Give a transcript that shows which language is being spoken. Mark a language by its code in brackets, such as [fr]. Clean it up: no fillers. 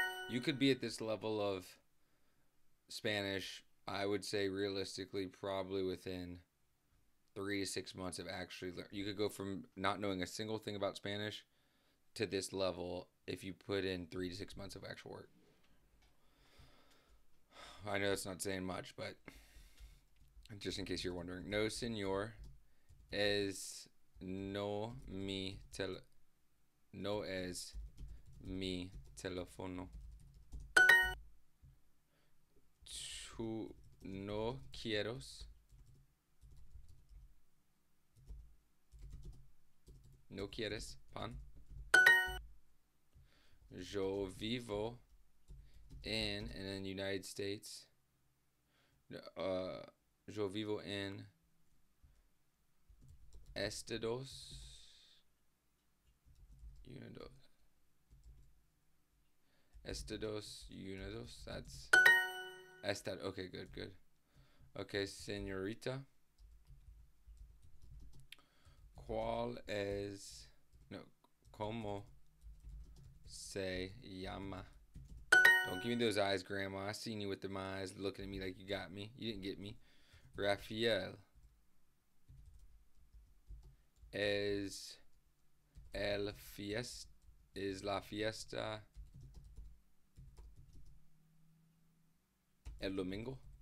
[en] You could be at this level of Spanish, I would say realistically, probably within 3 to 6 months of actually learning. You could go from not knowing a single thing about Spanish to this level if you put in 3 to 6 months of actual work. I know that's not saying much, but just in case you're wondering. [es] No, señor, es no mi tel no es mi teléfono. Tú no quieres. No quieres pan. Yo vivo [en] in the United States. [es] Yo vivo en Estados Unidos. [en] Estados Unidos. That's Estad. Okay, good, good. Okay, señorita. [es] ¿Cuál es? No. Como se llama? [en] Don't give me those eyes, Grandma. I seen you with them eyes looking at me like you got me. You didn't get me. [es] Rafael es el fiesta, es la fiesta el domingo.